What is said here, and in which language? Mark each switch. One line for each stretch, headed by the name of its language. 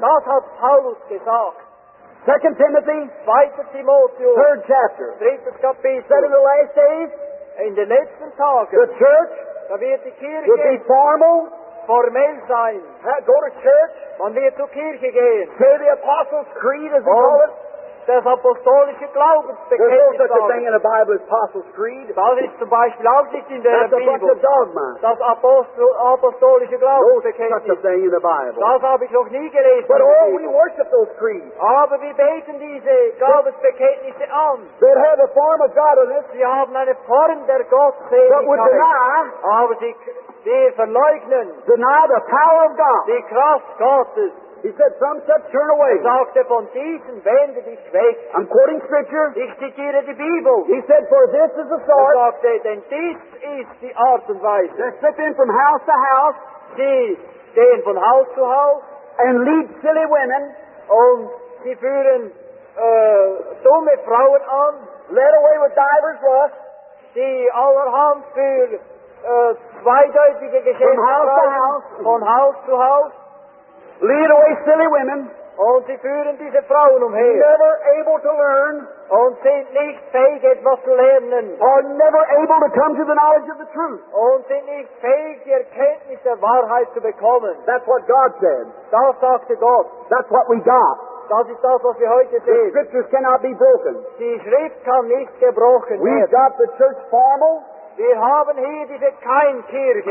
German: Das hat Paulus gesagt.
English: 2 Timothy.
German: 2 Timotheus.
English: 3rd chapter.
German: 3. Kapitel.
English: Said in the last days.
German: In den letzten Tagen,
English: the church,
German: da wird die Kirche
English: be formal,
German: formell sein.
English: Go to church,
German: man wird zur Kirche gehen.
English: Say the Apostles' Creed, as we call it.
German: Das apostolische Glaubensbekenntnis.
English: There's no such a thing in the Bible as Apostles' Creed.
German: Das ist zum Beispiel auch nicht in der
English: That's
German: Bibel.
English: A bunch of dogma.
German: Das apostolische Glaubensbekenntnis.
English: No such a thing in the Bible.
German: Das habe ich noch nie gelesen.
English: But all we worship those creeds.
German: Aber wir beten diese Glaubensbekenntnisse an.
English: They have a form of godliness.
German: Sie haben eine Form der Gottseligkeit.
English: But would deny.
German: Aber sie verleugnen.
English: Deny the power of God.
German: Die Kraft Gottes.
English: He said, from such turn away.
German: Sagte, von diesen wende dich weg.
English: I'm quoting scripture.
German: Ich zitiere die Bibel.
English: He said, for this is the sort.
German: Sagte, denn dies ist die Art und Weise.
English: They're slipping from house to house.
German: Sie gehen von Haus zu Haus.
English: And lead silly women.
German: Und sie führen dumme Frauen an.
English: Led away with divers lust.
German: Sie allerhand für zweideutige Geschäfte.
English: From house to house.
German: Von Haus zu Haus.
English: Lead away silly women.
German: Und sie führen diese Frauen umher.
English: Never able to learn.
German: Und sind nicht fähig, etwas zu lernen.
English: Or never able to come to the knowledge of the truth.
German: Und sind nicht fähig, die Erkenntnis der Wahrheit zu bekommen.
English: That's what God said.
German: Das sagte Gott.
English: That's what we got.
German: Das ist das, was wir heute sehen.
English: The scriptures cannot be broken.
German: Die Schrift kann nicht gebrochen werden.
English: We've got the church formal.
German: Wir haben hier diese Keimkirche.